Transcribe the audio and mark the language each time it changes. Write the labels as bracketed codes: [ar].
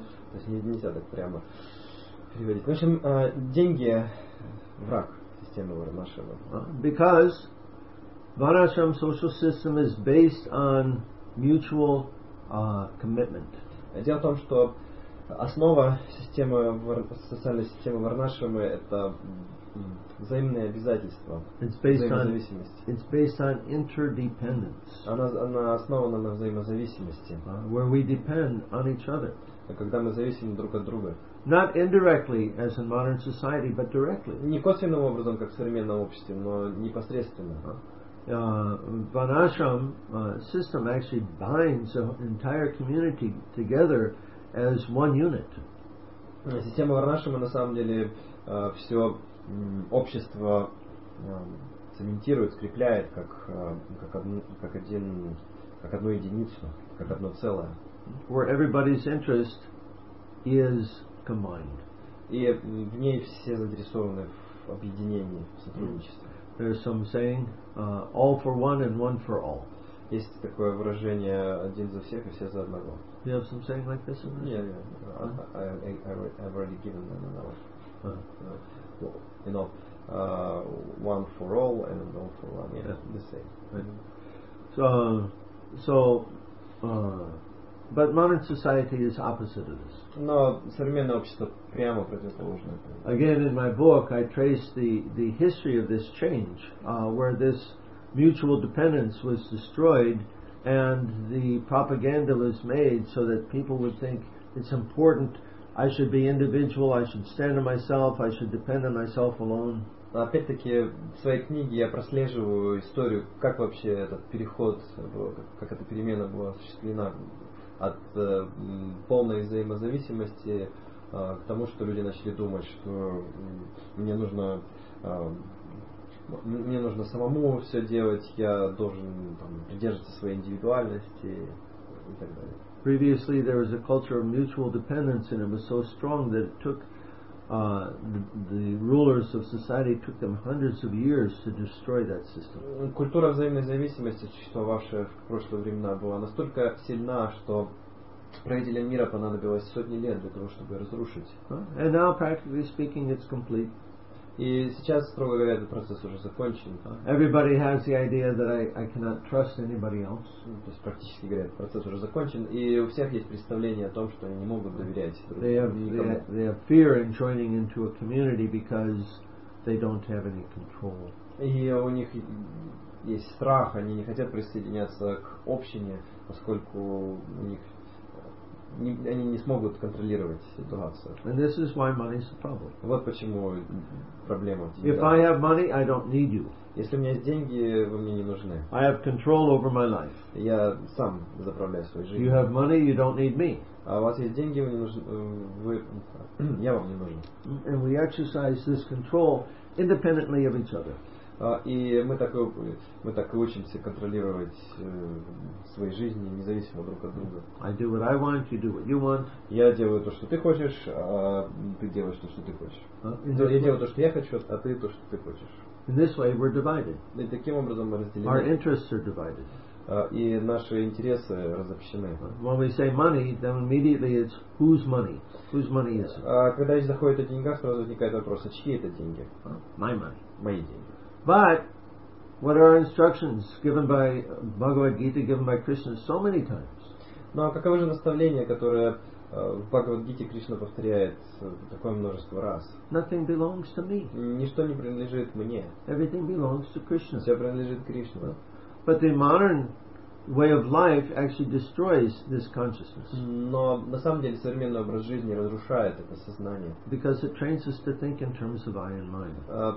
[ru] То есть нельзя так прямо переводить. В общем, деньги враг системы Варнашрама. [en] Because Varnashram social system is based on mutual commitment. [ru] Дело в том, что основа системы социальной системы Варнашрама это взаимные обязательства, [en] it's based on interdependence. [ru] Она основана на взаимозависимости. [en] Where we depend on each other. [ru] Когда мы зависим друг от друга. [en] Not indirectly, as in modern society, but directly. [ru] Не косвенным образом, как в современном обществе, но непосредственно. [en] Varnashram system actually binds the entire community together as one unit. [ru] Система Варнашрама на самом деле все общество цементирует, скрепляет как одну единицу, как одно целое. [en] Where everybody's interest is combined. [ru] И в ней все заинтересованы в объединении, в сотрудничестве. [en] There's some saying, all for one and one for all. [ru] Есть такое выражение, один за всех и все за одного. [en] You have some saying like this? Yeah. I've already given them another. One for all and all for one. Yeah, the same. Right. But modern society is opposite of this. [ru] Но современное общество прямо противоположно. [en] Again, in my book, I trace the history of this change, where this mutual dependence was destroyed, and the propaganda was made so that people would think it's important. I should be individual, I should stand on myself, I should depend on myself alone. [ru] Опять-таки, в своей книге я прослеживаю историю, как вообще этот переход, как эта перемена была осуществлена от полной взаимозависимости к тому, что люди начали думать, что мне нужно самому все делать, я должен там, придерживаться своей индивидуальности и так далее. [en] Previously, there was a culture of mutual dependence, and it was so strong that it took the rulers of society took them hundreds of years to destroy that system. [ru] Культура взаимной зависимости, существовавшая в прошлые времена, была настолько сильна, что правителям мира понадобилось сотни лет для того, чтобы разрушить. [en] And now, practically speaking, it's complete. [ru] И сейчас, строго говоря, этот процесс уже закончен. [en] Everybody has the idea that I cannot trust anybody else. [ru] То есть, практически говоря, этот процесс уже закончен, и у всех есть представление о том, что они не могут доверять друг другу. [en] They have fear in joining into a community because they don't have any control. [ru] И у них есть страх, они не хотят присоединяться к общине, поскольку у них они не смогут контролировать ситуацию. [en] And this is why money is a problem. [ru] Вот почему проблема в деньгах. [en] If I have money, I don't need you. [ru] Если у меня есть деньги, вы мне не нужны. [en] I have control over my life. [ru] Я сам заправляю свою жизнь. [en] You have money, you don't need me. [ru] А у вас есть деньги, вы не нужны, вы, я вам не нужен. [en] And we exercise this control independently of each other. [ru] И мы так учимся контролировать свои жизни независимо друг от друга. [en] I do what I want, you do what you want. [ru] Я делаю то, что ты хочешь, а ты делаешь то, что ты хочешь. Я делаю то, что я хочу, а ты то, что ты хочешь. [en] In this way we're divided. [ru] И таким образом мы разделены. [en] Our interests are divided. [ru] И наши интересы разобщены. [en] When we say money, then immediately it's whose money? Whose money is it? [ru] Когда речь заходит о деньгах, сразу возникает вопрос, а чьи это деньги? [en] My money. [ru] Мои деньги. [en] But what are instructions given by Bhagavad Gita, given by Krishna so many times? [ru] Ну а каково же наставление, которое в Бхагавад Гите Кришна повторяет такое множество раз? [en] Nothing belongs to me. [ru] Ничто не принадлежит мне. [en] Everything belongs to Krishna. [ru] Все принадлежит Кришне. [en] But the modern way of life actually destroys this consciousness. [ru] Но на самом деле современный образ жизни разрушает это сознание. [en] Because it trains us to think in terms of I and mine.